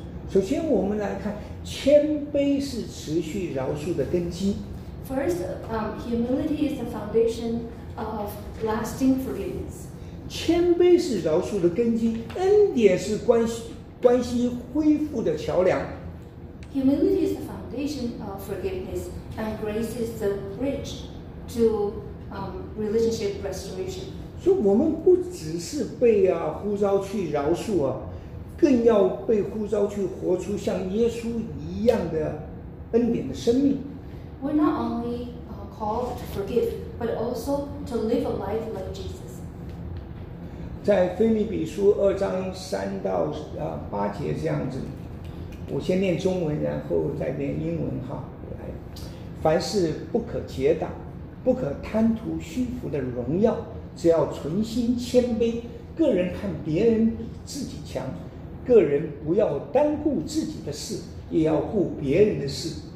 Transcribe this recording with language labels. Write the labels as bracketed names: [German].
[Chinese] 首先我们来看谦卑是持续饶恕的根基。 [English] First, humility is the foundation of lasting forgiveness. [Chinese] 谦卑是饶恕的根基，恩典是关系恢复的桥梁。 [English] Humility is the foundation of forgiveness, and grace is the bridge to relationship restoration. [Chinese] 所以我们不只是被呼召去饶恕更要被呼召去活出像耶稣一样的恩典的生命。 [English] We're not only called to forgive, but also to live a life like Jesus. [Chinese] 在腓立比书二章三到八节这样子，我先念中文，然后再念英文哈。来，凡事不可结党，不可贪图虚浮的荣耀，只要存心谦卑，个人看别人比自己强，个人不要单顾自己的事，也要顾别人的事。